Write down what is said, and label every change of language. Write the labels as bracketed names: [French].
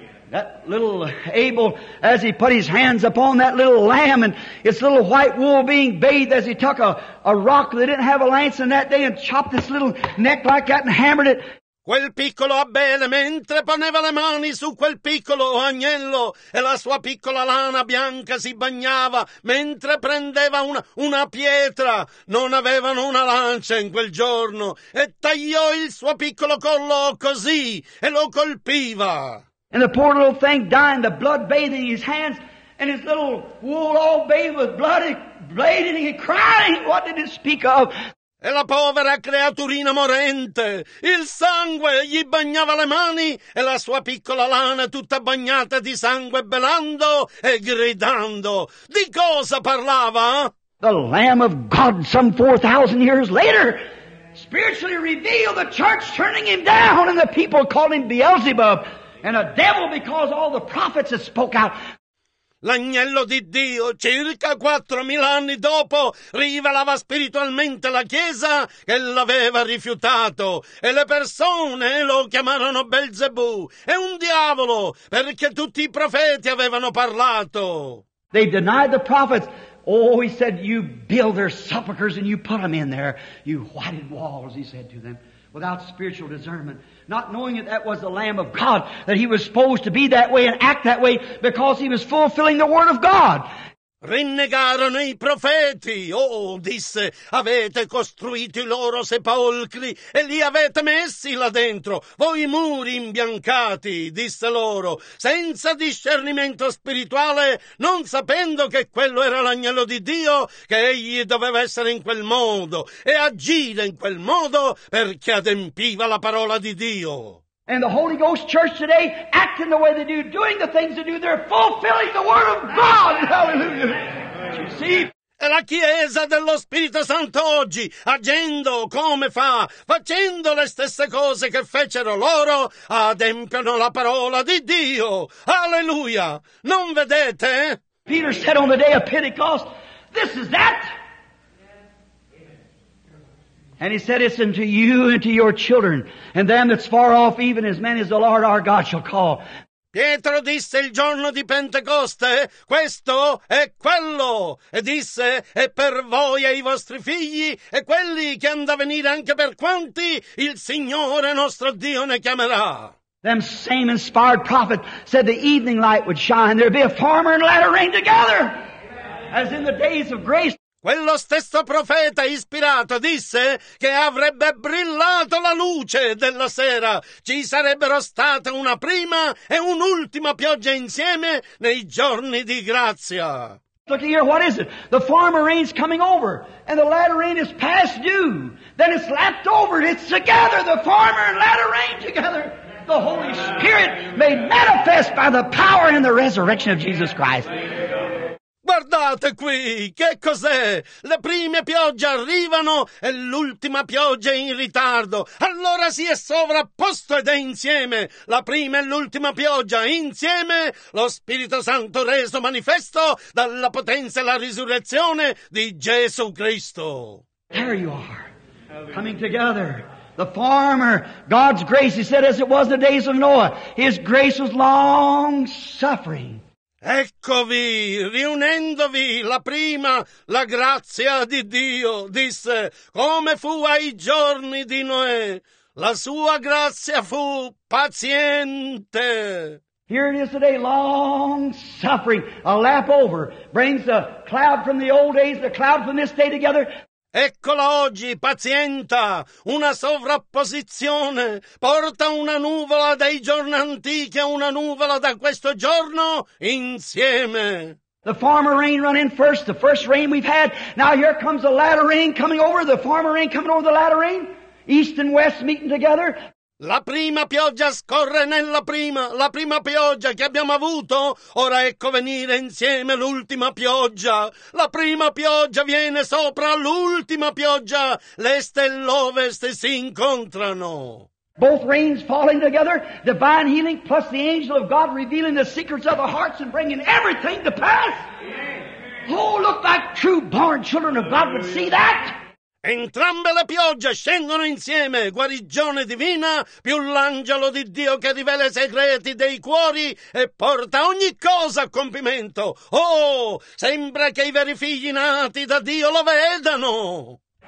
[English] That little Abel, as he put his hands upon that little lamb and its little white wool being bathed, as he took a rock that didn't have a lance in that day and chopped its little neck like that and hammered it. [Italian] Quel piccolo Abele, mentre poneva le mani su quel piccolo agnello e la sua piccola lana bianca si bagnava mentre prendeva una pietra, non avevano una lancia in quel giorno, e tagliò il suo piccolo collo così e lo colpiva. [English] And the poor little thing dying, the blood bathing his hands and his little wool all bathed with blood and bleeding and crying. What did it speak of? [Italian] E la povera creaturina morente, il sangue gli bagnava le mani e la sua piccola lana tutta bagnata di sangue belando e gridando. Di cosa parlava? [English] The Lamb of God some 4,000 years later spiritually revealed the church turning him down and the people called him Beelzebub and a devil because all the prophets had spoke out. [Italian] L'agnello di Dio, circa 4,000 anni dopo, rivelava spiritualmente la Chiesa che l'aveva rifiutato. E le persone lo chiamarono Belzebù, e un diavolo, perché tutti i profeti avevano parlato. [English] They denied the prophets. Oh, he said, you build their sepulchers and you put them in there. You whited walls, he said to them, without spiritual discernment. Not knowing that that was the Lamb of God, that he was supposed to be that way and act that way because he was fulfilling the Word of God. [Italian] Rinnegarono i profeti. Oh, disse, avete costruito i loro sepolcri e li avete messi là dentro. Voi muri imbiancati, disse loro, senza discernimento spirituale, non sapendo che quello era l'agnello di Dio, che egli doveva essere in quel modo e agire in quel modo perché adempiva la parola di Dio. [English] And the Holy Ghost Church today, acting the way they do, doing the things they do, they're fulfilling the Word of God. Hallelujah. You see? [Italian] E la Chiesa dello Spirito Santo oggi, agendo come fa, facendo le stesse cose che fecero loro, adempiono la parola di Dio. Hallelujah. Non vedete? [English] Peter said on the day of Pentecost, this is that. And he said, it's unto you and to your children, and them that's far off, even as many as the Lord our God shall call. [Italian] Pietro disse il giorno di Pentecoste, questo è quello. E disse, è per voi e i vostri figli, e quelli che hanno da venire anche per quanti il Signore nostro Dio ne chiamerà. [English] Them same inspired prophet said the evening light would shine, there'd be a former and latter rain together, as in the days of grace. [Italian] Quello stesso profeta ispirato disse che avrebbe brillato la luce della sera. Ci sarebbero state una prima e un'ultima pioggia insieme nei giorni di grazia. [English] Look here, what is it? The former rain's coming over, and the latter rain is past due. Then it's lapped over, and it's together, the former and latter rain together. The Holy Spirit made manifest by the power and the resurrection of Jesus Christ. [Italian] Guardate qui, che cos'è? Le prime piogge arrivano e l'ultima pioggia è in ritardo. Allora si è sovrapposto ed è insieme. La prima e l'ultima pioggia insieme, lo Spirito Santo reso manifesto dalla potenza e la risurrezione di Gesù Cristo. [English] There you are, coming together. The former, God's grace, he said, as it was the days of Noah, his grace was long suffering. [Italian] Eccovi, riunendovi, la prima, la grazia di Dio, disse, come fu ai giorni di Noè, la sua grazia fu paziente. [English] Here it is today, long suffering, a lap over, brings the cloud from the old days, the cloud from this day together. [Italian] Eccola oggi, pazienta, una sovrapposizione, porta una nuvola dai giorni antichi a una nuvola da questo giorno insieme. [English] The former rain running first, the first rain we've had, now here comes the latter rain coming over, the former rain coming over the latter rain, east and west meeting together. [Italian] La prima pioggia scorre nella prima, la prima pioggia che abbiamo avuto, ora ecco venire insieme l'ultima pioggia. La prima pioggia viene sopra l'ultima pioggia, l'est e l'ovest si incontrano. [English] Both rains falling together, divine healing plus the angel of God revealing the secrets of the hearts and bringing everything to pass. Oh, look like true born children of God would see that. [Italian] Entrambe le piogge scendono insieme, guarigione divina, più l'angelo di Dio che rivela i segreti dei cuori e porta ogni cosa a compimento. Oh, sembra che i veri figli nati da Dio lo vedano.